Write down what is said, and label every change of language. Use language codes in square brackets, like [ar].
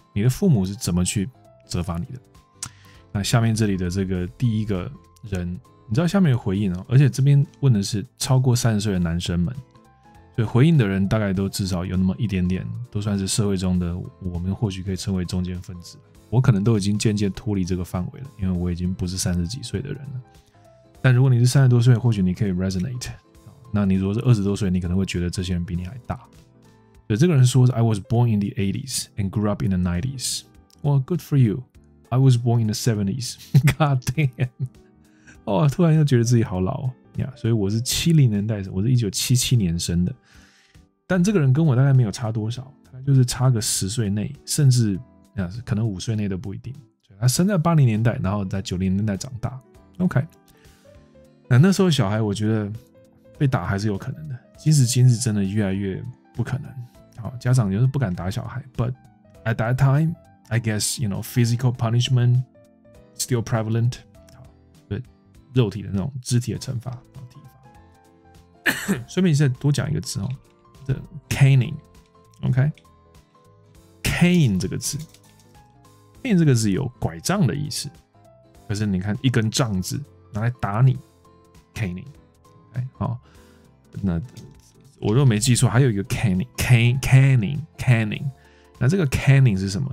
[zh] 你的父母是怎么去责罚你的？那下面这里的这个第一个人，你知道下面有回应哦，而且这边问的是超过30岁的男生们，所以回应的人大概都至少有那么一点点，都算是社会中的我们或许可以称为中间分子。我可能都已经渐渐脱离这个范围了，因为我已经不是30几岁的人了。但如果你是30多岁，或许你可以 resonate。那你如果是20多岁，你可能会觉得这些人比你还大。所以这个人说 [en] ：“I was born in the 80s and grew up in the 90s. Well, good for you. I was born in the 70s. God damn！ [zh] 哦，突然又觉得自己好老呀。 [en] Yeah, [zh] 所以我是70年代，我是1977年生的。但这个人跟我大概没有差多少，大概就是差个10岁内，甚至。” 可能5岁内都不一定。他生在80年代，然后在90年代长大。 OK， 那那时候小孩，我觉得被打还是有可能的。即使今日真的越来越不可能，好，家长就是不敢打小孩。 [en] But at that time, I guess you know physical punishment still prevalent。 [zh] 好，对，肉体的那种肢体的惩罚，体罚。顺便再多讲一个字哦，这 caning。OK。 Cane 这个字 ，cane 这个字有拐杖的意思，可是你看一根杖子拿来打你 ，caning， 哎，好，那我如果没记错，还有一个 caning， 那这个 caning 是什么？